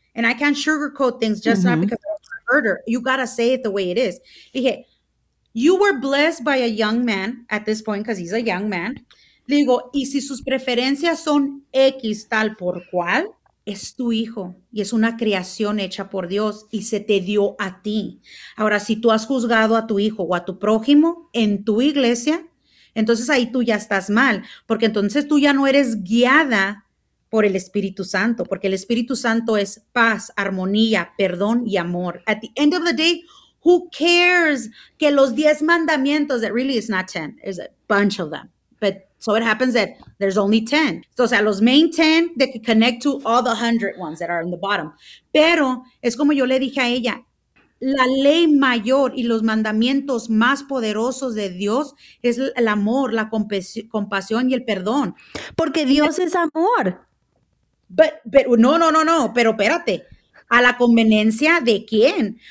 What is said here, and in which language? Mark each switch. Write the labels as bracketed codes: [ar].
[en] And I can't sugarcoat things just mm-hmm. not because I'm a converter. You got to say it the way it is. Dije, you were blessed by a young man at this point because he's a young man. [es] Le digo, y si sus preferencias son X tal por cual, es tu hijo y es una creación hecha por Dios y se te dio a ti. Ahora, si tú has juzgado a tu hijo o a tu prójimo en tu iglesia, entonces ahí tú ya estás mal porque entonces tú ya no eres guiada por el Espíritu Santo, porque el Espíritu Santo es paz, armonía, perdón y amor. [en] At the end of the day, who cares que los 10 mandamientos, that really is not 10, there's a bunch of them, but so it happens that there's only 10. So, o sea, los main 10, they can connect to all the 100 ones that are in the bottom. [es] Pero es como yo le dije a ella, la ley mayor y los mandamientos más poderosos de Dios es el amor, la compasión y el perdón. Porque Dios es amor. No, pero espérate, ¿a la conveniencia de quién?